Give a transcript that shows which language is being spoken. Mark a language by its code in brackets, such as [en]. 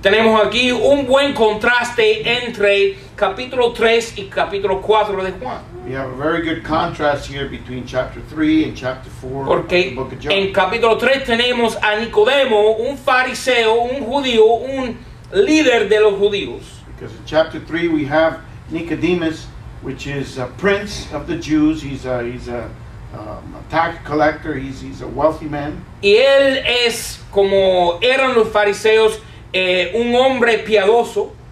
[es] Tenemos aquí un buen contraste entre capítulo 3 y capítulo 4 de Juan. [en] We have a very good contrast here between chapter 3 and chapter 4 [es] Porque [en] of the book of John. [es] En capítulo 3 tenemos a Nicodemo, un fariseo, un judío, un líder de los judíos. [en] Because in chapter 3 we have Nicodemus, which is a prince of the Jews. He's a tax collector. He's a wealthy man. [es] Y él es como eran los fariseos, un hombre piadoso.